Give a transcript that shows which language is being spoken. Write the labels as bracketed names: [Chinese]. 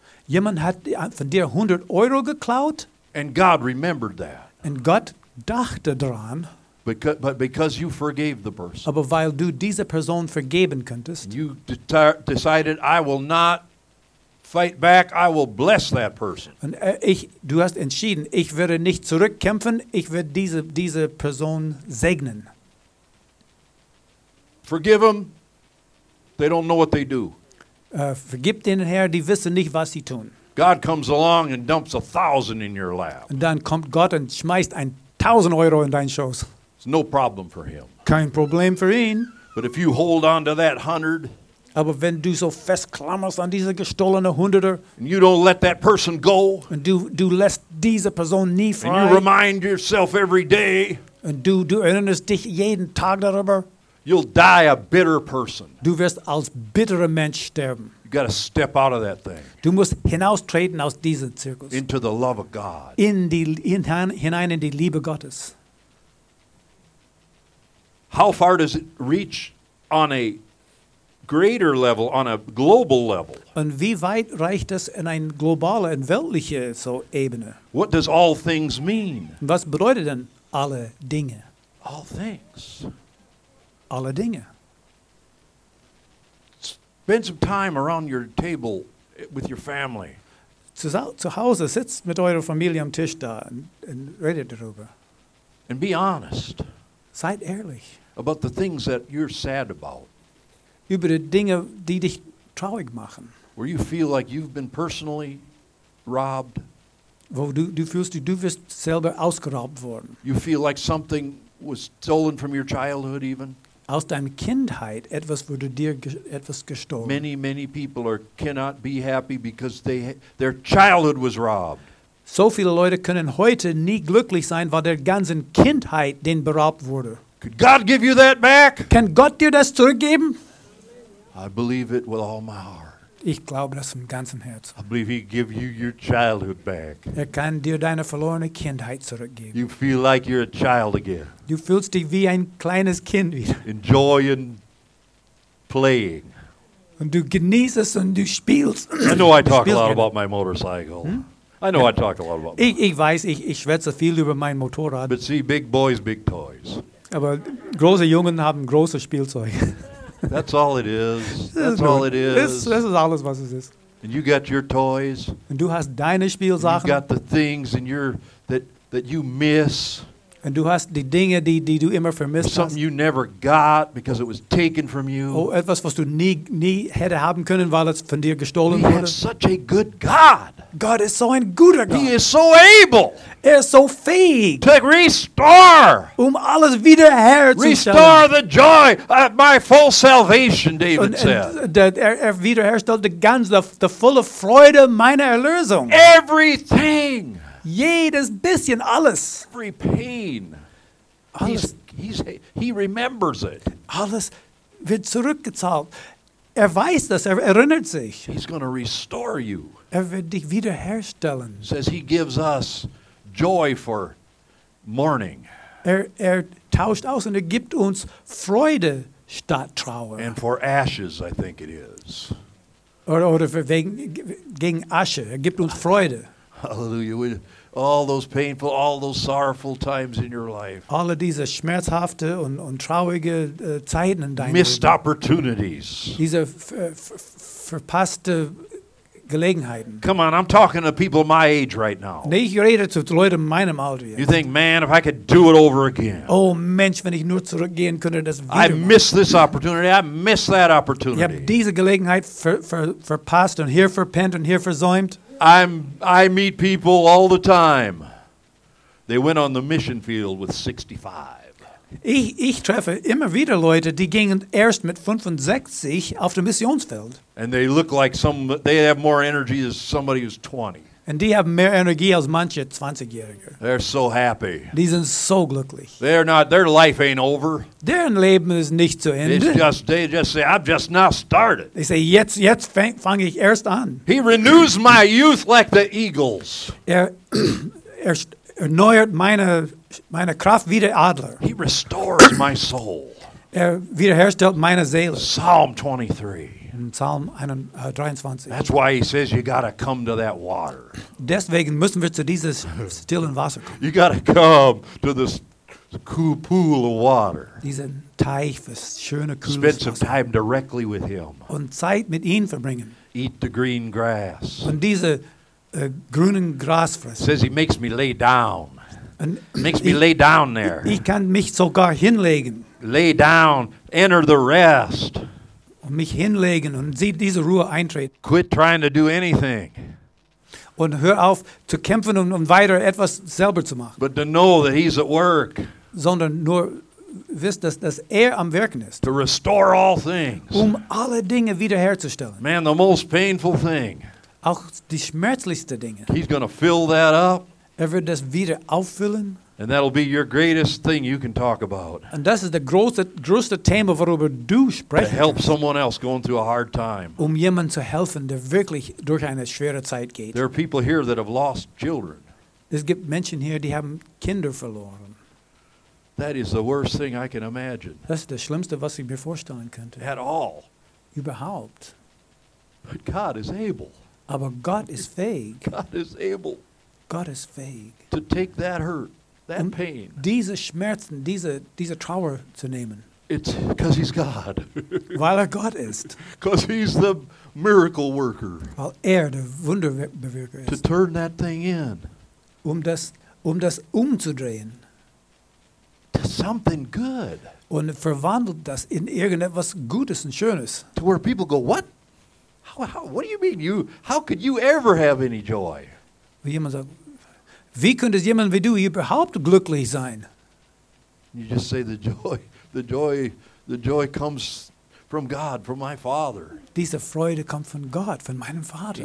[German] Jemand hat von dir 100 Euro geklaut. [English] And God remembered that. [German] Und Gott dachte daran. [English] Because you forgave the person. [German] Aber weil du diese Person vergeben könntest. [English] You decided, I will not fight back, I will bless that person. [German] Und du hast entschieden, ich werde nicht zurückkämpfen, ich werde diese Person segnen. [English] Forgive them, they don't know what they do. [German] Vergib denen, Herr, die wissen nicht, was sie tun. [English] God comes along and dumps 1,000 in your lap. [German] Und dann kommt Gott und schmeißt 1,000 Euro in deinen Schoß. [English] It's no problem for him. [German] Kein Problem für ihn. [English] But if you hold on to that 100, [German] aber wenn du so fest klammerst an diese gestohlene Hunderter, [English] and you don't let that person go, [German] und du lässt diese Person nie frei, [English] and you remind yourself every day, [German] und du erinnerst dich jeden Tag darüber, [English] you'll die a bitter person. [German] Du wirst als bitterer Mensch sterben. [English] You gotta step out of that thing. [German] Du musst hinaustreten aus diesen Zirkus. [English] Into the love of God. [German] Hinein in die Liebe Gottes. [English] How far does it reach on a greater level, on a global level? [German] Und wie weit reicht das in ein globale und weltliche so Ebene? [English] What does all things mean? [German] Was bedeutet denn alle Dinge? [English] All things. [German] Alle Dinge. [English] Spend some time around your table with your family. [German] Zu Hause sitzt mit eurer Familie am Tisch da und redet darüber. [English] And be honest. [German] Seid ehrlich. [English] About the things that you're sad about. [German] Über die Dinge, die dich traurig machen. [English] Where you feel like you've been personally robbed. [German] Wo du fühlst, du wirst selber ausgeraubt worden. [English] You feel like something was stolen from your childhood even. [German] Aus deiner Kindheit etwas wurde dir etwas gestohlen. [English] Many, many people cannot be happy because their childhood was robbed. [German] So viele Leute können heute nie glücklich sein, weil der ganzen Kindheit denen beraubt wurde. [English] Could God give you that back? [German] Kann Gott dir das zurückgeben? [English] I believe it with all my heart. [German] Ich glaube das von ganzem Herzen. [English] I believe he give you your childhood back. [German] Er kann dir deine verlorene Kindheit zurückgeben. [English] You feel like you're a child again. [German] Du fühlst dich wie ein kleines Kind wieder. [English] Enjoying playing. [German] Und du genießt es und du spielst. [English] I know I talk a lot about my motorcycle. I know I talk a lot about it. [German] Ich weiß, ich schwätze viel über mein Motorrad. [English] But see, big boys, big toys. [German] Aber große Jungen haben große Spielzeug. [English] That's all it is. That's all it is. This is [German] alles, was es ist. [English] And you got your toys. [German] Und du hast deine Spielsachen. [English] You got the things and your that you miss. [German] Und du hast die Dinge, die du immer vermisst hast. [English] Something you never got because it was taken from you. [German] Oh, etwas, was du nie hätte haben können, weil es von dir gestohlen wurde. [English] He is such a good God. [German] Gott ist so ein guter Gott. [English] He is so able. [German] Er ist so fähig. [English] To restore. [German] Alles wiederherzustellen. [English] Restore the joy of my full salvation, David said. [German] Er wiederherstellt die ganze, die volle Freude meiner Erlösung. [English] Everything. [German] Jedes bisschen, alles. [English] Every pain. [German] Alles. [English] He remembers it. [German] Alles wird zurückgezahlt. Er weiß das, er erinnert sich. [English] He's going to restore you. [German] Er wird dich wiederherstellen. [English] Says he gives us joy for mourning. [German] Er tauscht aus und er gibt uns Freude statt Trauer. [English] And for ashes, I think it is. [German] Oder für gegen Asche. Er gibt uns Freude. [English] Hallelujah. All those painful, all those sorrowful times in your life. [German] Alle diese schmerzhafte und traurige Zeiten in deinem [English] Missed opportunities. [German] Diese verpasste Gelegenheiten. [English] Come on, I'm talking to people my age right now. [German] Ich rede zu Leuten meinem Alter. [English] You think, man, if I could do it over again. [German] Oh, Mensch, wenn ich nur zurückgehen könnte, das wieder. [English] I miss this opportunity. I miss that opportunity. [German] Ich habe diese Gelegenheit verpasst und hier verpennt und hier versäumt. [English] I meet people all the time. They went on the mission field with 65. [German] Ich treffe immer wieder Leute, die gingen erst mit 65 auf dem Missionsfeld. [English] And they look like they have more energy than somebody who's 20. [German] Und die haben mehr Energie als manche 20-Jährige. [English] They're so happy. [German] Die sind so glücklich. [English] They're not, their life ain't over. [German] Deren Leben ist nicht zu Ende. [English] They just say, I've just now started. They say, [German] jetzt fange ich erst an. [English] He renews my youth like the eagles. [German] Er erneuert meine Kraft wie der Adler. [English] He restores my soul. [German] Er wiederherstellt meine Seele. [English] Psalm 23. [German] In Psalm 23. [English] That's why he says you gotta come to that water. [German] Deswegen müssen wir zu dieses stillen Wasser kommen. [English] You gotta come to this cool pool of water. [German] Diesen Teich für schöne cooles [English] Spend [German] Wasser. [English] Some time directly with him. [German] Und Zeit mit ihm verbringen. [English] Eat the green grass. [German] Und diese grünen Gras fressen. [English] Says he makes me lay down. And makes me lay down there. [German] Ich kann mich sogar hinlegen. [English] Lay down, enter the rest. [German] Und mich hinlegen und sieh diese Ruhe eintreten. [English] Quit trying to do anything. [German] Und hör auf zu kämpfen und weiter etwas selber zu machen. [English] But to know that he's at work. [German] Sondern nur wisst, dass am Wirken ist. [English] To restore all things. [German] Alle Dinge wiederherzustellen. [English] Man, the most painful thing. [German] Auch die schmerzlichste Dinge. [English] He's going to fill that up. [German] Er wird das wieder auffüllen. [English] And that'll be your greatest thing you can talk about. [German] Und das ist der größte Thema, worüber du sprechen. [English] To help someone else going through a hard time. [German] Jemanden zu helfen, der wirklich durch eine schwere Zeit geht. [English] There are people here that have lost children. [German] Es gibt Menschen hier, die haben Kinder verloren. [English] That is the worst thing I can imagine. [German] Das ist das Schlimmste, was ich mir vorstellen könnte. [English] At all. [German] Überhaupt. [English] But God is able. [German] Aber Gott ist fähig. [English] God is able. [German] Gott ist fähig. [English] To take that hurt. That pain. [German] Diese Schmerzen, diese Trauer zu nehmen. [English] It's because he's God. [German] Weil Gott ist. [English] Because he's the miracle worker. [German] Weil der Wunderbewirker ist. [English] To turn that thing in. [German] Das umzudrehen. [English] To something good. [German] Und verwandelt das in irgendetwas Gutes und Schönes. [English] To where people go, what? What do you mean? How could you ever have any joy? [German] Wie jemand sagt, wie könnte jemand wie du überhaupt glücklich sein? [English] You just say the joy comes from God, from my Father. [German] Diese Freude kommt von Gott, von meinem Vater.